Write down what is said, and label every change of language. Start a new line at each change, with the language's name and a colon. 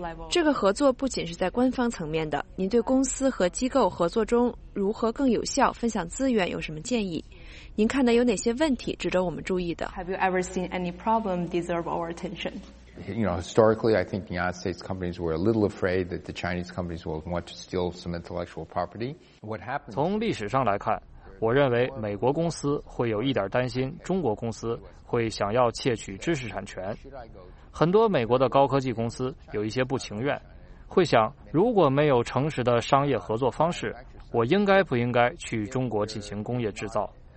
Chinese: 这个合作不仅是在官方层面的，您对公司和机构合作中如何更有效分享资源有什么建议？您看到有哪些问题值得我们注意的？
English: Have you ever seen any problem deserve our attention? You know, historically, I think the United States companies were a little afraid that the Chinese companies would want to steal some intellectual property. What happened?
Chinese: 从历史上来看，我认为美国公司会有一点担心中国公司会想要窃取知识产权。很多美国的高科技公司有一些不情愿，会想如果没有诚实的商业合作方式，我应该不应该去中国进行工业制造？